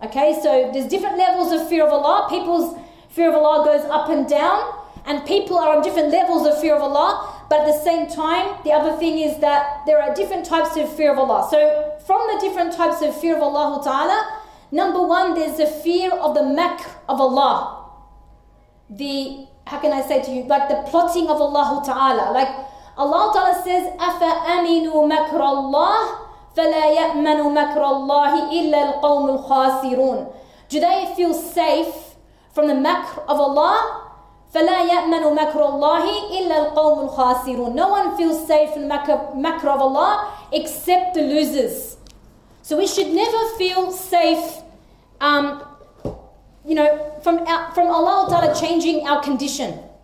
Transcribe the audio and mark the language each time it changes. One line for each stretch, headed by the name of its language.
English: Okay, so there's different levels of fear of Allah. People's fear of Allah goes up and down, and people are on different levels of fear of Allah. But at the same time, the other thing is that there are different types of fear of Allah. So from the different types of fear of Allah Ta'ala, number one, there's the fear of the makr of Allah. The, how can I say to you, like the plotting of Allah Ta'ala. Like Allah Ta'ala says,
Arabic: أَفَأَمِنُوا مَكْرَ اللَّهِ فَلَا يَأْمَنُوا مَكْرَ اللَّهِ إِلَّا الْقَوْمُ الْخَاسِرُونَ.
English: Do they feel safe from the makr of Allah?
Arabic: فَلَا يَأْمَنُوا مَكْرَ اللَّهِ إِلَّا الْقَوْمُ الْخَاسِرُونَ.
English: No one feels safe from the makr of Allah except the losers. So we should never feel safe, you know, from Allah Ta'ala changing our condition.